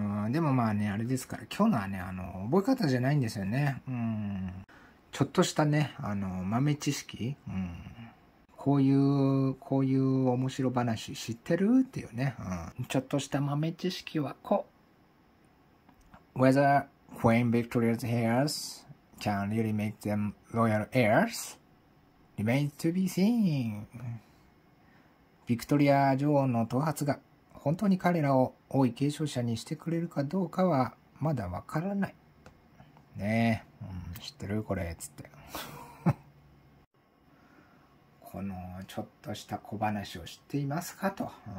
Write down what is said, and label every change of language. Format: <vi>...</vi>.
<ja>でもまあね、あれですから、今日のはね、覚え方じゃないんですよね。ちょっとしたね、豆知識。こういう面白話知ってるっていうね。ちょっとした豆知識はこう。</ja> <en>Whether Queen Victoria's heirs can really make them royal heirs remains to be seen.</en> <ja>ビクトリア女王の頭髪が本当に彼らを王位継承者にしてくれるかどうかはまだわからない。ねえ、知ってるこれ、つって。この、ちょっとした小話を知っていますかと。</ja>